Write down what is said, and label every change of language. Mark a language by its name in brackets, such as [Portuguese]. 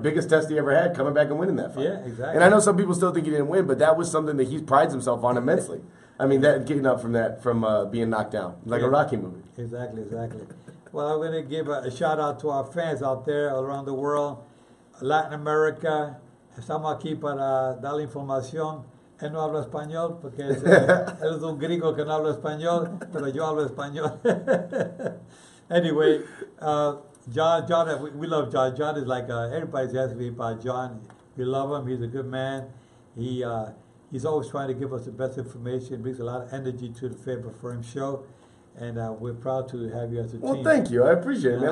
[English] Biggest test he ever had, coming back and winning that fight. Yeah, exactly. And I know some people still think he didn't win, but that was something that he prides himself on immensely. I mean, that getting up from that, being knocked down, like a Rocky movie. Exactly. Well, I'm going to give a shout out to our fans out there all around the world, Latin America. [Spanish] Estamos aquí para dar la información. Él no habla español porque él es un gringo que no habla español, pero yo hablo español. [English] Anyway, John, we love John. John is like everybody's asking me about John. We love him. He's a good man. He's always trying to give us the best information. Brings a lot of energy to the Favorite Firm show, and we're proud to have you as a team. Well, thank you. I appreciate it, man.